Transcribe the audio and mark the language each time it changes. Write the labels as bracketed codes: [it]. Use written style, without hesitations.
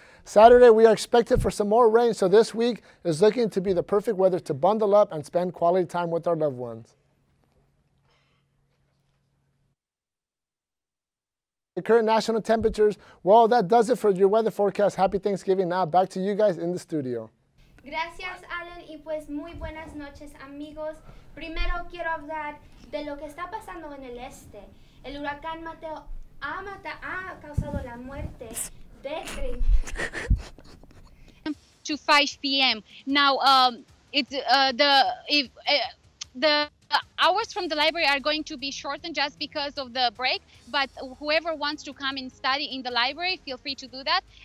[en] Saturday, we are expected for some more rain, so this week is looking to be the perfect weather to bundle up and spend quality time with our loved ones. The current national temperatures, well, that does it for your weather forecast. Happy Thanksgiving. Now back to you guys in the studio. [es] Gracias, Alan, y pues muy buenas noches, amigos. Primero quiero hablar de lo que está pasando en el este. El huracán Mateo ha causado la muerte de [en] 3 to 5 p.m. Now, the hours from the library are going to be shortened just because of the break, but whoever wants to come and study in the library, feel free to do that.